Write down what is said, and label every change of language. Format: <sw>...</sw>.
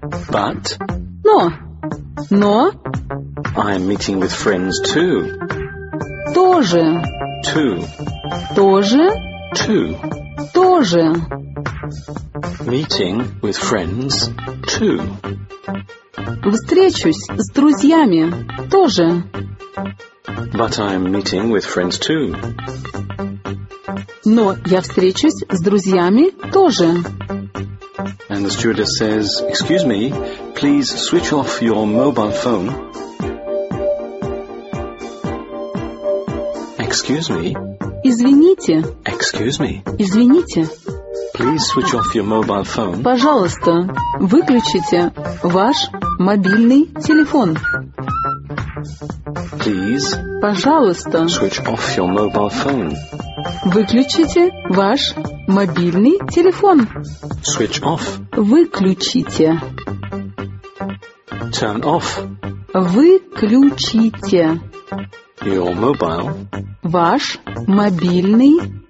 <en>But.</en> <ru>Но. Но.</ru> <en>I'm meeting with friends too.</en> <ru>Тоже.</ru> <en>Too.</en> <ru>Тоже.</ru> <en>Too.</en> <ru>Тоже.</ru> <en>Meeting with friends too.</en> <ru>Встречусь с друзьями тоже.</ru> <en>But I'm meeting with friends too.</en> <ru>Но я встречусь с друзьями тоже.</ru> <en>And the stewardess says, excuse me, please switch off your mobile phone. Excuse me.</en> <ru>Извините.</ru> <en>Excuse me.</en> <ru>Извините.</ru> <en>Please switch off your mobile phone.</en> <ru>Пожалуйста, выключите ваш мобильный телефон.</ru> <en>Please.</en> <ru>Пожалуйста.</ru> <en>Switch off your mobile phone.</en> <ru>Выключите ваш мобильный телефон.</ru> <en>Switch off.</en> <ru>Выключите.</ru> <en>Turn off.</en> <ru>Выключите.</ru> <en>Your mobile.</en> <ru>Ваш мобильный.</ru>